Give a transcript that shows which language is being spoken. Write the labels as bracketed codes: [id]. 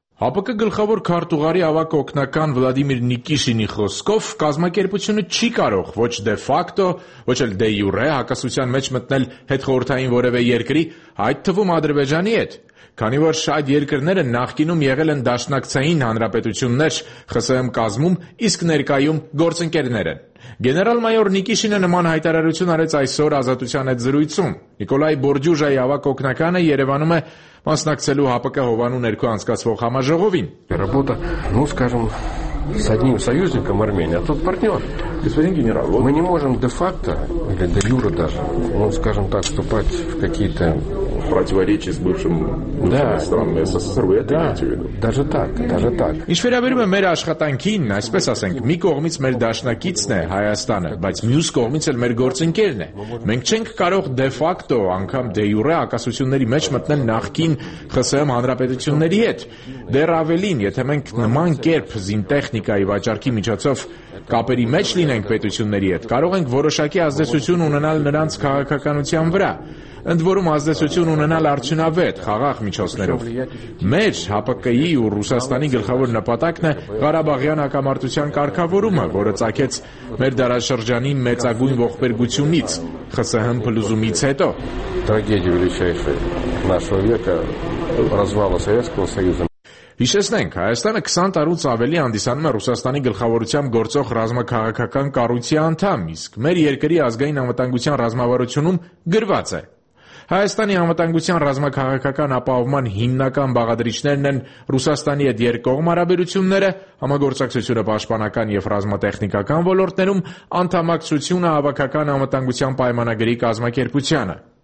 [hy] ՀԱՊԿ գլխավոր քարտուղարի ավագ օգնական Վլադիմիր Նիկիշինի խոսքով կազմակերպությունը չի կարող ոչ դե ֆակտո, ոչ էլ դե յուրե հակասության մեջ մտնել հետխորհրդային որևէ երկրի, այդ թվում Ադրբեջանի հետ, քանի որ շատ երկրները նախկինում եղել են դաշնակցային հանրապետություններ ԽՍՀՄ կազմում, իսկ ներկայում գործընկերներ են։ Գեներալ մայոր Նիկիշինը նման հայտարարություն արեց այսօր Ազատության հետ զրույցում։ Նիկոլայ Բորդյուժայի ավագ օգնականը Երևանում է մասնակցելու ՀԱՊԿ հովանու ներքո անցկացվող համաժողովին։ [ru] С одним союзником Армении, а тот партнер. Господин генерал, вот... мы не можем де-факто, или де-юре даже, ну, скажем так, вступать в какие-то... Противоречия с бывшим, да, странами СССР, вы это да, имеете в виду? Даже так, даже так. [hy] Ինչ վերաբերում է մեր աշխատանքին, այսպես ասենք, մի կողմից մեր դաշնակիցն է Հայաստանը, բայց մյուս կողմից էլ մեր գործընկերն է։ Մենք չենք կարող դե-ֆակտո անգամ դե-յուրե ակասությունների մեջ մտնել նախկին ԽՍՀՄ հանրապետությունների հետ։ Դեռ ավելին, եթե մենք նման կերպ զինտեխնիկայի վաճառքի միջոցով կապերի մեջ լինենք պետությունների հետ, կարող ենք որոշակի ազդեցություն ունենալ նրանց քաղաքականության վրա, ընդ որում ազդեցություն ունենալ արդյունավետ խաղաղ միջոցներով։ Մեր ՀԱՊԿ-ի ու Ռուսաստանի գլխավոր նպատակն է Ղարաբաղյան հակամարտության կարգավորումը, որը ծագեց մեր դարաշրջանի մեծագույն ողբերգությունից, ԽՍՀՄ փլուզումից հետո։ [ru] Трагедия величайшая нашего века развала Советского Союза. [hy] Հիշեցնենք, Հայաստանը 20 տարուց ավելի հանդիսանում է Ռուսաստանի գլխավորությամբ գործող ռազմաքաղաքական կառույցի անդամ, իսկ մեր երկրի ազգային անվտանգության ռազմավարությունում գրված է. Հայաստանի անվտանգության ռազմաքաղաքական ապահովման հիմնական բաղադրիչներն են Ռուսաստանի հետ երկկողմ հարաբերությունները, համագործակցությունը պաշտպանական և ռազմատեխնիկական ոլորտներում, անդամակցությունը հավաքական անվտանգության պայմանագրի կազմակերպությանը։